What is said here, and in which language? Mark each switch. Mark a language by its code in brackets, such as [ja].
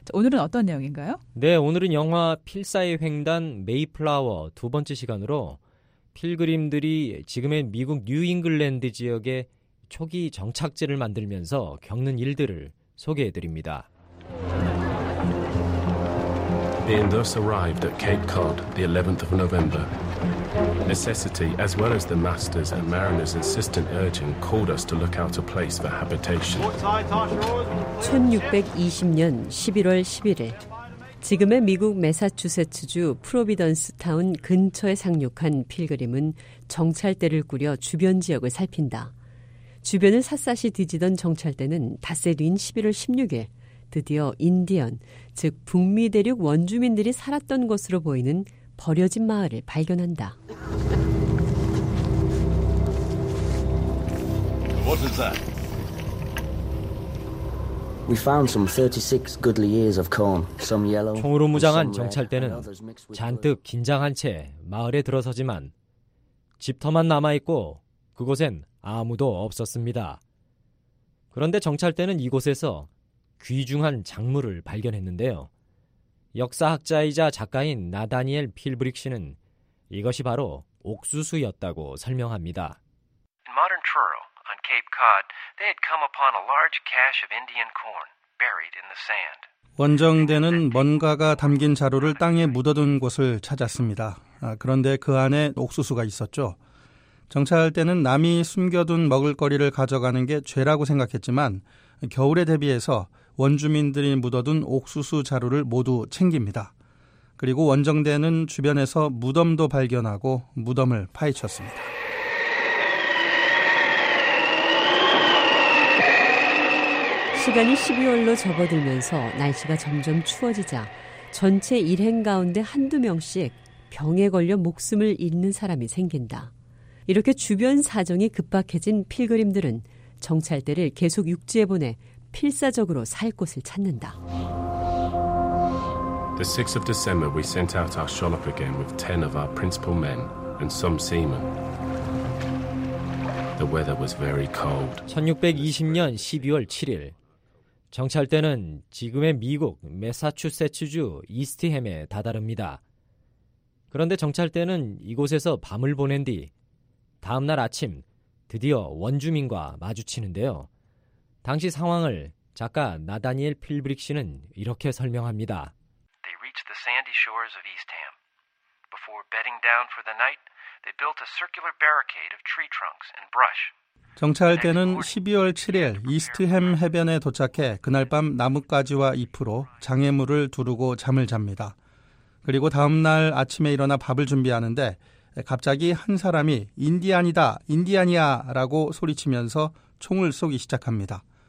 [ko] 오늘은 어떤 내용인가요? 네, 오늘은 영화 필사의 횡단 메이플라워 두 번째 시간으로 필그림들이 지금의 미국 뉴잉글랜드 지역에 초기 정착지를 만들면서 겪는 일들을 소개해드립니다. [en] The Indus arrived at Cape Cod the 11th of November. Necessity, as well as the masters and mariners' insistent urging, called us to look out a place for habitation. [ko] 1620년 11월 11일, 지금의 미국 매사추세츠주 프로비던스 타운 근처에 상륙한 필그림은 정찰대를 꾸려 주변 지역을 살핀다. 주변을 샅샅이 뒤지던 정찰대는 닷새뒤인 11월 16일, 드디어 인디언, 즉 북미 대륙 원주민들이 살았던 것으로 보이는 버려진 마을을 발견한다. [en] What is that? We found some 36 goodly ears of corn, some yellow. [ko] 총으로 무장한 정찰대는 잔뜩 긴장한 채 마을에 들어서지만 집터만 남아 있고 그곳엔 아무도 없었습니다. 그런데 정찰대는 이곳에서 귀중한 작물을 발견했는데요. 역사학자이자 작가인 나다니엘 필브릭 씨는 이것이 바로 옥수수였다고 설명합니다. [en] In modern Truro, on Cape Cod, they had come upon a large cache of Indian corn buried in the sand. [ko] 원정대는 뭔가가 담긴 자루를 땅에 묻어둔 곳을 찾았습니다. 그런데 그 안에 옥수수가 있었죠. 정찰대는 남이 숨겨둔 먹을거리를 가져가는 게 죄라고 생각했지만 겨울에 대비해서 원주민들이 묻어둔 옥수수 자루를 모두 챙깁니다. 그리고 원정대는 주변에서 무덤도 발견하고 무덤을 파헤쳤습니다. 시간이 12월로 접어들면서 날씨가 점점 추워지자 전체 일행 가운데 한두 명씩 병에 걸려 목숨을 잃는 사람이 생긴다. 이렇게 주변 사정이 급박해진 필그림들은 정찰대를 계속 육지에 보내 필사적으로 살 곳을 찾는다. [en] The 6th of December we sent out our shallop again with 10 of our principal men and some seamen. The weather was very cold. [ko] 1620년 12월 7일 정찰대는 지금의 미국 매사추세츠주 이스트햄에 다다릅니다. 그런데 정찰대는 이곳에서 밤을 보낸 뒤 다음 날 아침 드디어 원주민과 마주치는데요. 당시 상황을 작가 나다니엘 필브릭 씨는 이렇게 설명합니다. [en] They reached the sandy shores of Eastham. Before bedding down for the night, they built a circular barricade of tree trunks and brush. [ko] 정찰대는 12월 7일 이스트햄 해변에 도착해 그날 밤 나뭇가지와 잎으로 장애물을 두르고 잠을 잡니다. 그리고 다음 날 아침에 일어나 밥을 준비하는데 갑자기 한 사람이 인디안이다, 인디안이야 라고 소리치면서 총을 쏘기 시작합니다.